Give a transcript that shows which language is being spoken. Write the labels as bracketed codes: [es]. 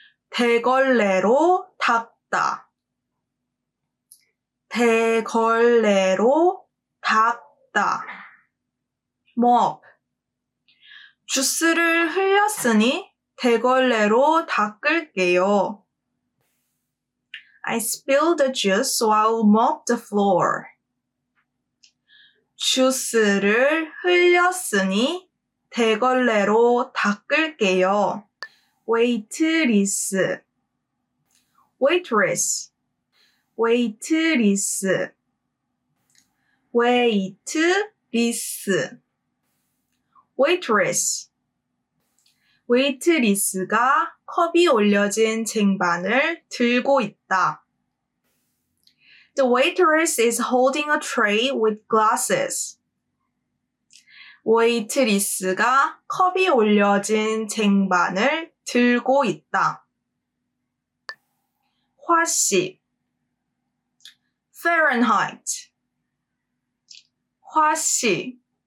[ko] 대걸레로 닦다. 대걸레로 닦다. [en] Mop. [ko] 주스를 흘렸으니 대걸레로 닦을게요. [en] I spilled the juice, so I'll mop the floor. [ko] 주스를 흘렸으니 대걸레로 닦을게요. [en] Waitress. Waitress. Waitress. Waitress. Waitress. [ko] Waitress가 컵이 올려진 쟁반을 들고 있다. [en] The waitress is holding a tray with glasses. [ko] 웨이트리스가 컵이 올려진 쟁반을 들고 있다. 화씨 [en] Fahrenheit [ko] 화씨